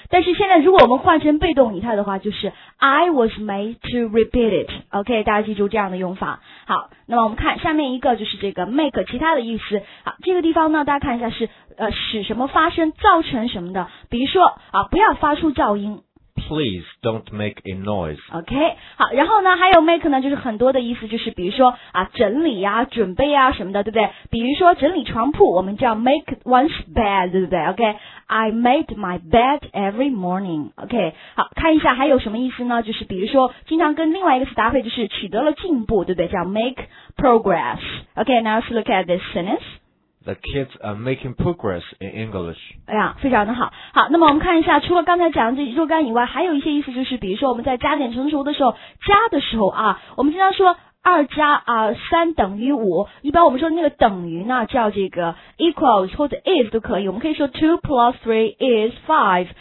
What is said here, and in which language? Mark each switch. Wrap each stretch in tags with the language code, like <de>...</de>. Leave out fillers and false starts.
<zh>但是现在如果我们换成被动语态的话，就是</zh> <en>I was made to repeat it。</en> <zh>OK， 大家记住这样的用法。好，那么我们看下面一个，就是这个 make 其他的意思。好，这个地方呢大家看一下是使什么发生，造成什么的，比如说不要发出噪音，</zh> <en>Please don't make a noise。</en> <zh>OK， 好，然后呢还有 make 呢就是很多的意思，就是比如说整理准备什么的，对不对？比如说整理床铺我们叫 make one's bed， 对不对？</zh> <en>OK， I made my bed every morning。</en> <zh>OK， 好，看一下还有什么意思呢，就是比如说经常跟另外一个词搭配，就是取得了进步，对不对？叫 make progress。</zh> <en>OK， now let's look at this sentence The kids are making progress in English.</en> <zh>非常的好。好，那么我们看一下，除了刚才讲的这若干以外，还有一些意思，就是比如说我们在加减乘除的时候，加的时候我们经常说二加三等于五，一般我们说那个等于呢叫这个 equals 或者 is 都可以，我们可以说</zh> <en>two plus three is five。</en>